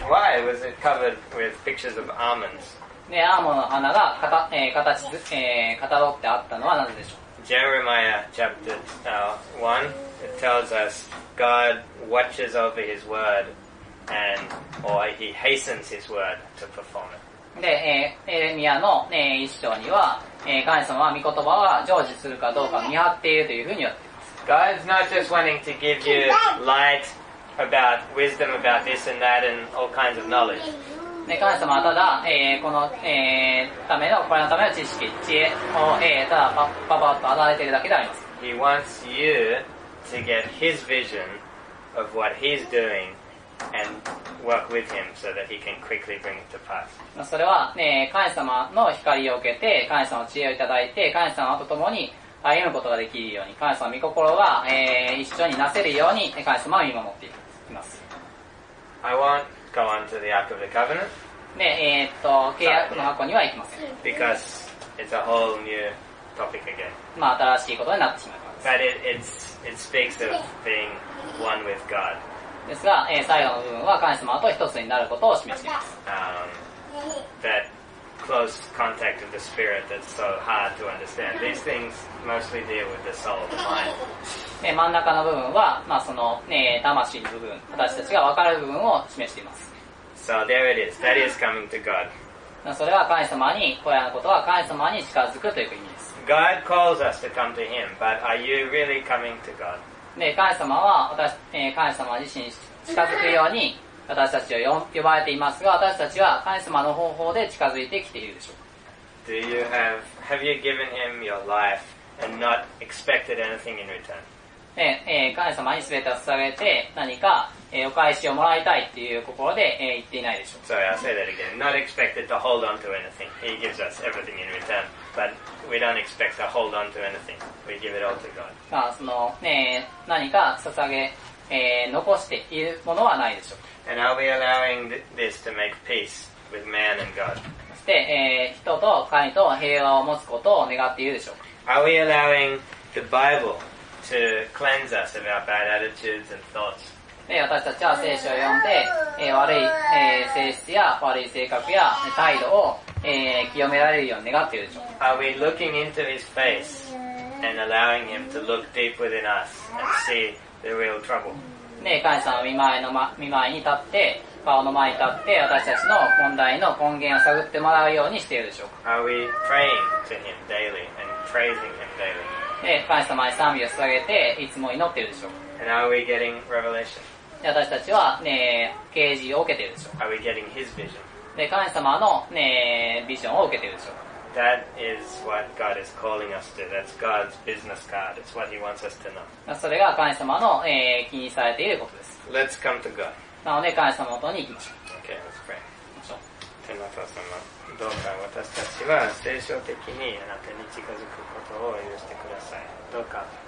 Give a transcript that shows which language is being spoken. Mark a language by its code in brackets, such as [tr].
[en] Why was it covered with pictures of almonds? [ja] で、アーモンドの花がかた、かたどってあったのはなぜでしょう? [en] Jeremiah chapter 1, it tells us God watches over his word and, or he hastens his word to perform it. [ja] で、エレミアの、一章には、神様は御言葉は成就するかどうか見張っているというふうに言っています。 [en] God's not just wanting to give you light about wisdom about this and that and all kinds of knowledge. [ja] で、神様はただ、この、ための、これのための知識、知恵を、ただ、パパッと与えているだけであります。 [en] He wants you to get his vision of what he's doing and work with him so that he can quickly bring it to pass. [ja] それは、神様の光を受けて、神様の知恵をいただいて、神様と共に歩むことができるように、神様の御心が、一緒になせるように、神様は見守っています。 [en] I want... Go on to the Ark of the Covenant. [ja] ね、契約の箱には行きません。 [en] Because it's a whole new topic again. [ja] まあ、新しいことになってしまいます。 [en] But it speaks of being one with God. [ja] ですが、最後の部分は神様と一つになることを示しています。 [en] That close contact with the spirit that's so hard to understand. These things mostly deal with the soul, the mind. [ja] 真ん中の部分は、まあ、その、魂の部分、私たちが分かる部分を示しています。 [en] So there it is. That is coming to God. [ja] それは神様に、これらのことは神様に近づくという意味です。 [en] God calls us to come to Him, but are you really coming to God? [ja] 神様は私、神様自身に近づくように私たちを呼ばれていますが、私たちは神様の方法で近づいてきているでしょうか。 [en] Do you have you given Him your life and not expected anything in return? [ja] 神様に全てを捧げて何か、お返しをもらいたいっていう心で、言っていないでしょう。 [en] Sorry, I'll say that again. Not expected to hold on to anything. He gives us everything in return. But we don't expect to hold on to anything. We give it all to God. [ja] まあその、ね、何か捧げ、残しているものはないでしょう。 [en] And I'll be allowing this to make peace with man and God. [ja] そして、人と神と平和を持つことを願っているでしょう。 [en] Are we allowing the Bible to cleanse us of our bad attitudes and thoughts? [ja] で私たちは聖書を読んで、悪い、性質や悪い性格や態度を、清められるように願っているでしょう。 [en] Are we looking into his face and allowing him to look deep within us and see the real trouble? [ja] ね、神様の見舞いに立って、顔の前に立って、私たちの問題の根源を探ってもらうようにしているでしょうか。 [en] Are we praying to him daily and praising him daily? [ja] で神様に賛美を捧げて、いつも祈っているでしょうか。 [en] And are we getting revelation? [ja] 私たちはね、啓示を受けているでしょう。 [en] Are we getting his vision? [ja] で、神様のね、ビジョンを受けているでしょう。 [en] That is what God is calling us to. That's God's business card. It's what he wants us to know. [ja] それが神様の、気にされていることです。 [en] Let's come to God. [ja] なので、神様のもとに行きましょう。 [en] Okay, let's pray. [ja] 天の父様、どうか私たちは聖書的にあなたに近づくことを許してください。どうか。